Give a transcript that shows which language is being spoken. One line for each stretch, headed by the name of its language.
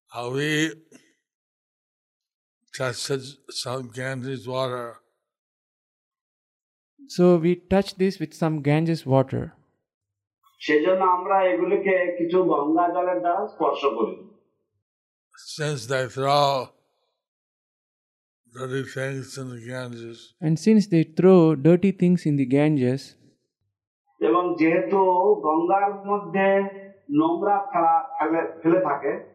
English: We tested some Ganges water. So we touch this with some Ganges water.
Bangla: সেজন্য আমরা এগুলিকে কিছু গঙ্গা জলের দ্বারা স্পর্শ করি.
English: Since they throw dirty things in the Ganges. And since they throw dirty things in the Ganges.
Bangla: এবং যেহেতু গঙ্গার মধ্যে নোংরা ফেলে থাকে.